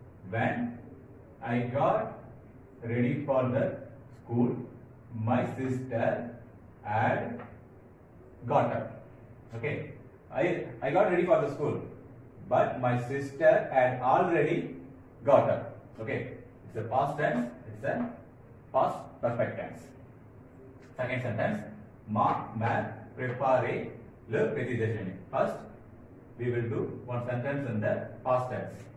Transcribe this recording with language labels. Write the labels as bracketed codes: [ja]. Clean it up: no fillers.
[en] When I got ready for the school, my sister had got up. Okay, I got ready for the school, but my sister had already got up. Okay, it's a past tense, it's a past perfect tense. Second sentence, [fr] ma mère prépare le petit déjeuner. [en] First, we will do one sentence in the past tense.